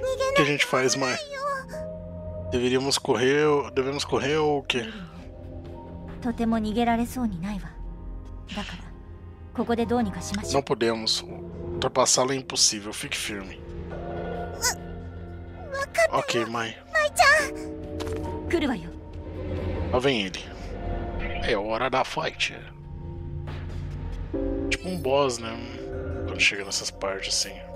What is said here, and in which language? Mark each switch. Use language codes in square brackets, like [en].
[pt] O que a gente faz, Mai? Deveríamos correr ou... Devemos correr ou o quê? [ja] とても逃げられそうにないわ。だから、ここでどうにかしましょう。 [pt] Não podemos. Ultrapassá-la é impossível. Fique firme. Ok, mãe. Mai-chan! [ja] Kuru wa yo. [pt] Lá vem ele. É hora da fight. É. Tipo um boss, né? Quando chega nessas partes assim.